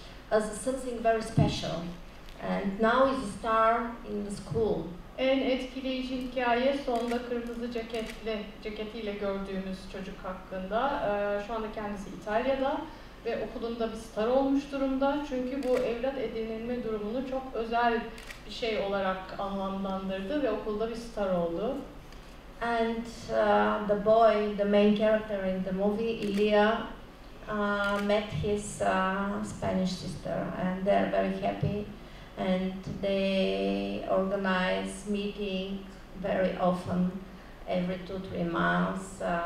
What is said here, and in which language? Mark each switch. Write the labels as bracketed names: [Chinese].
[English] As something very special, and now is a star in the school. [Turkish] En etkileyici hikaye sonda kırmızı ceketiyle gördüğümüz çocuk hakkında. Şu anda kendisi İtalya'da ve okulunda bir star olmuş durumda. Çünkü bu evlat edinilme durumunu çok özel bir şey olarak anlamlandırdı ve okulda bir star oldu. [English] And the boy, the main character in the movie, Ilya, met his Spanish sister, and they're very happy, and they organize meeting very often, every 2-3 months.